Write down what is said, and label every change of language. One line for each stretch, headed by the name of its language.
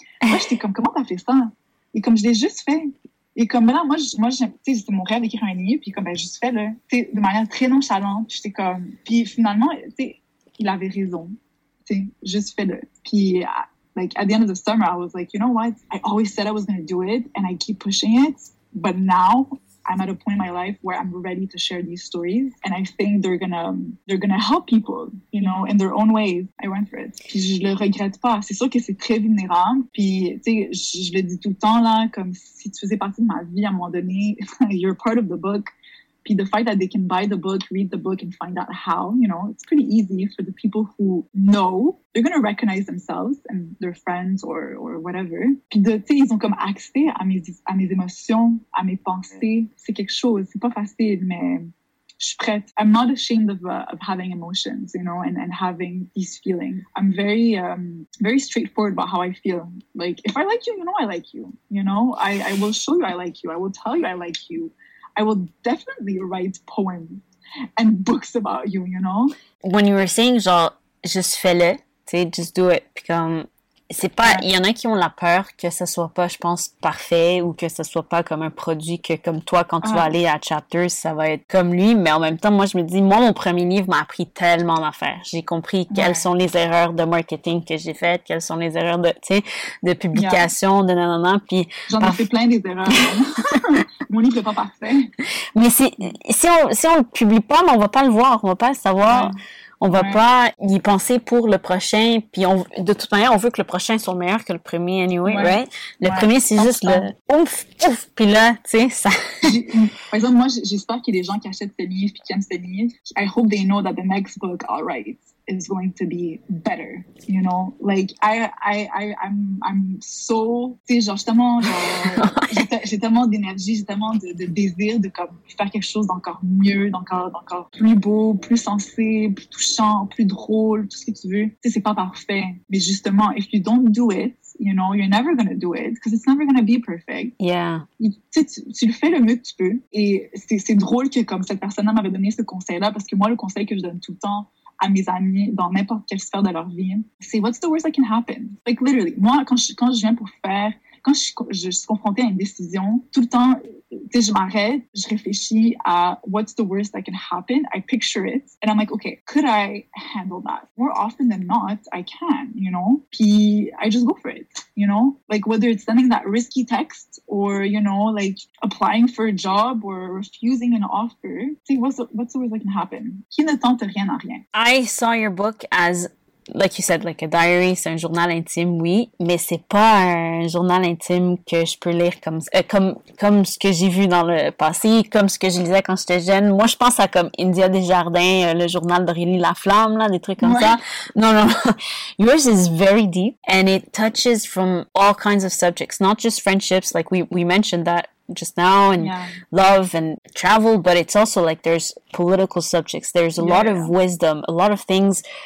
French: Moi, j'étais comme, comment t'as fait ça? Et comme, je l'ai juste fait. Et comme, là, moi, tu sais, c'était mon rêve d'écrire un livre. Puis, comme, ben, juste fait, là. Tu sais, de manière très nonchalante. J'étais comme, puis finalement, tu sais, il avait raison. T'sais, juste fais-le.
English: Puis, like, at the end of the summer, I was like, you know what? I always said I was going to do it, and I keep pushing it. But now, I'm at a point in my life where I'm ready to share these stories. And I think they're gonna help people, you know, in their own ways. I went for it.
French: Puis, je le regrette pas. C'est sûr que c'est très vulnérable. Puis, tu sais, je le dis tout le temps, là, comme si tu faisais partie de ma vie à un moment donné,
English: you're part of the book. The fact that they can buy the book, read the book, and find out how, you know, it's pretty easy for the people who know. They're going to recognize themselves and their friends or whatever.
French: Puis, tu sais, ils ont comme accès à mes émotions, à mes pensées. C'est quelque chose. C'est pas facile, mais je suis prête.
English: I'm not ashamed of having emotions, you know, and having these feelings. I'm very, very straightforward about how I feel. Like, if I like you, you know I like you, you know? I will show you I like you. I will tell you I like you. I will definitely write poems and books about you, you know?
French: When you were saying, genre, just fais-le, tu sais,
English: just do it,
French: puis comme, c'est pas, il y en a qui ont la peur que ça soit pas, je pense, parfait, ou que ça soit pas comme un produit que, comme toi, quand tu vas aller à Chapters, ça va être comme lui, mais en même temps, moi, je me dis, moi, mon premier livre m'a appris tellement d'affaires. J'ai compris quelles sont les erreurs de marketing que j'ai faites, quelles sont les erreurs de, tu sais, de publication, de nanana, puis... J'en ai fait plein des erreurs, mon livre n'est pas parfait. Mais si on le publie pas, mais on va pas le voir, on va pas le savoir... Ouais. On va pas y penser pour le prochain, puis on, de toute manière, on veut que le prochain soit meilleur que le premier,
English: anyway, right?
French: Le premier, c'est juste le ouf, puis là, tu sais, ça... Par exemple, moi, j'espère qu'il y a des gens qui achètent ce livre, puis qui aiment ce livre.
English: I hope they know that the next book, all right, is going to be better, you know? Like, I'm so...
French: Tu sais, genre, justement, j'ai tellement d'énergie, j'ai tellement de désir de comme, faire quelque chose d'encore mieux, d'encore plus beau, plus sensé, plus touchant, plus drôle, tout ce que tu veux. Tu sais, c'est pas parfait. Mais justement,
English: if you don't do it, you know, you're never going to do it because it's never going to be perfect. Yeah.
French: Tu le fais le mieux que tu peux. Et c'est drôle que comme cette personne-là m'avait donné ce conseil-là parce que moi, le conseil que je donne tout le temps à mes amis dans n'importe quelle sphère de leur vie, c'est «
English: what's the worst that can happen? » Like, literally,
French: moi, quand je viens pour faire... Quand je suis confrontée à une décision, tout le temps, tu sais, je m'arrête, je réfléchis à
English: what's the worst that can happen, I picture it, and I'm like, okay, could I handle that? More often than not, I can, you know? Puis, I just go for it, you know? Like, whether it's sending that risky text, or, you know, like, applying for a job, or refusing an offer, tu sais, what's the worst that can happen?
French: Qui ne tente rien à rien?
English: I saw your book as, like you said, like a diary,
French: c'est un journal intime, oui, mais c'est pas un journal intime que je peux lire comme ce que j'ai vu dans le passé, comme ce que je lisais quand j'étais jeune. Moi, je pense à comme India Desjardins, le journal d'Aurélie Laflamme, là, des trucs comme ça. Non.
English: Yours is very deep and it touches from all kinds of subjects, not just friendships, like we mentioned that just now, and love and travel, but it's also like there's political subjects, there's a lot of wisdom, a lot of things.